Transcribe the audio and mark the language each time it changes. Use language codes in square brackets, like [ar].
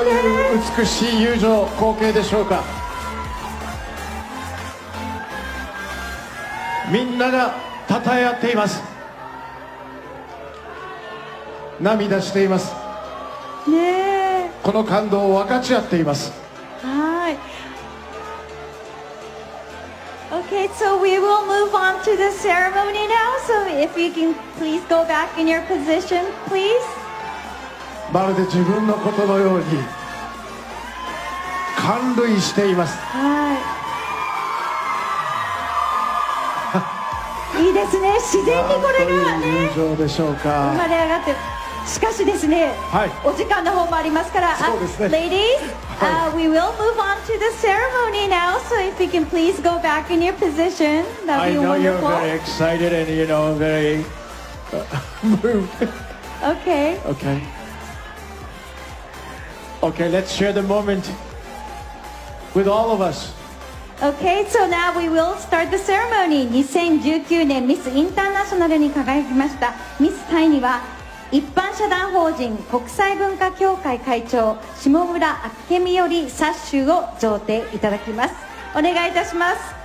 [ja] なんという美しい友情光景でしょうか。みんなが讃え合っています。涙していますね、この感動を分かち合っています。はい、 [en] Okay, so we will move on to the ceremony now. So if you can please go back in your position, please. [ja] まるで自分のことのように感涙しています。はい、いいですね。自然にこれがね、なんという友情でしょうか。生まれ上がって、しかしですね、はい、お時間の方もありますから、そうですね、 [en] ladies、 [ja] はい、 [en] we will move on to the ceremony now. So if you can please go back in your position, that would be wonderful. I know you're very excited and you know very moved. Okay. Okay. Okay. Let's share the moment with all of us. Okay. So now we will start the ceremony. [ja] 2019年ミスインターナショナルに輝きましたミスタイには、一般社団法人国際文化協会会長下村明美よりサッシュを贈呈いただきます。お願いいたします。